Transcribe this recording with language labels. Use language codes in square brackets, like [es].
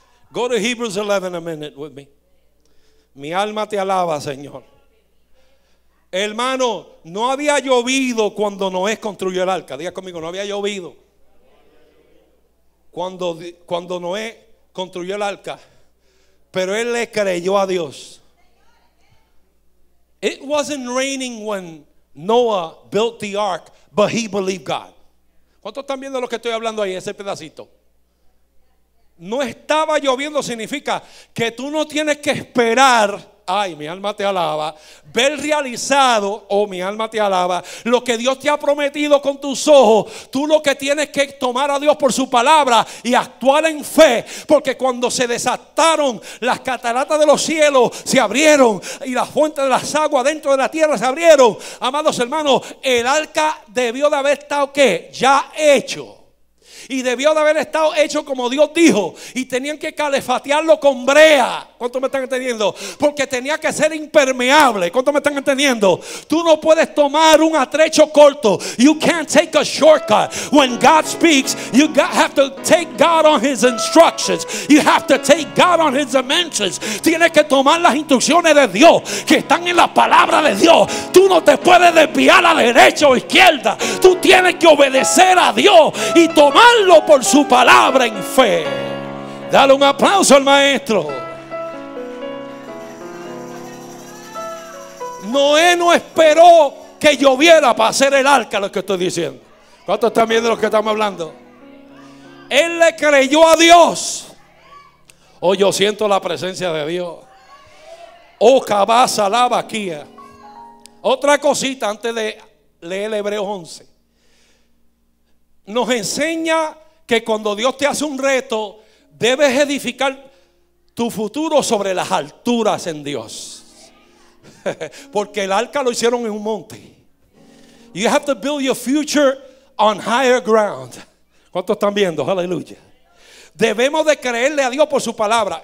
[en] Go to Hebrews 11 a minute with me. [es] Mi alma te alaba, Señor. Hermano, no había llovido cuando Noé construyó el arca. Diga conmigo, no había llovido cuando Noé construyó el arca. Pero él le creyó a Dios. [en] It wasn't raining when Noah built the ark, but he believed God. [es] ¿Cuántos están viendo lo que estoy hablando ahí, ese pedacito? No estaba lloviendo, significa que tú no tienes que esperar, ay, mi alma te alaba, ver realizado, oh, mi alma te alaba, lo que Dios te ha prometido con tus ojos. Tú lo que tienes que tomar a Dios por su palabra y actuar en fe, porque cuando se desataron las cataratas de los cielos, se abrieron, y las fuentes de las aguas dentro de la tierra se abrieron. Amados hermanos, el arca debió de haber estado, ¿qué? Ya hecho. Y debió de haber estado hecho como Dios dijo. Y tenían que calefatearlo con brea. ¿Cuánto me están entendiendo? Porque tenía que ser impermeable. ¿Cuánto me están entendiendo? Tú no puedes tomar un atrecho corto. [en] You can't take a shortcut. When God speaks, you have to take God on His instructions. You have to take God on His dimensions. [es] Tienes que tomar las instrucciones de Dios, que están en la palabra de Dios. Tú no te puedes desviar a derecha o izquierda. Tú tienes que obedecer a Dios y tomarlo por su palabra en fe. Dale un aplauso al maestro. Noé no esperó que lloviera para hacer el arca, lo que estoy diciendo. ¿Cuántos están viendo lo que estamos hablando? Él le creyó a Dios. Oh, yo siento la presencia de Dios. Otra cosita antes de leer Hebreos 11. Nos enseña que cuando Dios te hace un reto, debes edificar tu futuro sobre las alturas en Dios. Porque el arca lo hicieron en un monte. [en] You have to build your future on higher ground. [es] ¿Cuántos están viendo? Aleluya. Debemos de creerle a Dios por su palabra.